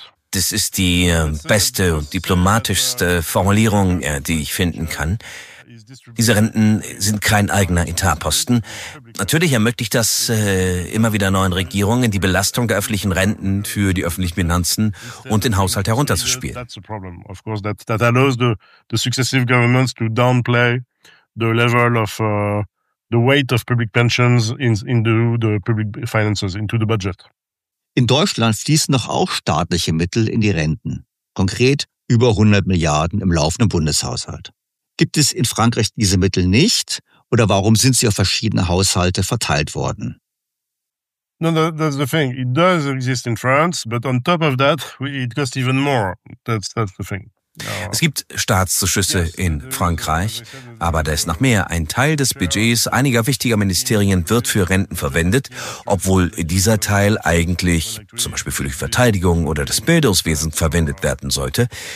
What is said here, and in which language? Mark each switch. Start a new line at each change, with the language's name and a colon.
German: Das ist die beste und diplomatischste Formulierung, die ich finden kann. Diese Renten sind kein eigener Etatposten. Natürlich ermöglicht das immer wieder neuen Regierungen, die Belastung der öffentlichen Renten für die öffentlichen Finanzen und den Haushalt herunterzuspielen.
English: That's a problem, of course, that allows the successive governments to downplay the level of the weight of public pensions into the public finances, into the budget.
German: In Deutschland fließen noch auch staatliche Mittel in die Renten. Konkret über 100 Milliarden im laufenden Bundeshaushalt. Gibt es in Frankreich diese Mittel nicht? Oder warum sind sie auf verschiedene Haushalte verteilt worden?
English: No, that's the thing. It does exist in France, but on top of that, it costs even more. That's the thing.
German: Es gibt Staatszuschüsse in Frankreich, aber da ist noch mehr. Ein Teil des Budgets einiger wichtiger Ministerien wird für Renten verwendet, obwohl dieser Teil eigentlich zum Beispiel für die Verteidigung oder das Bildungswesen verwendet werden sollte.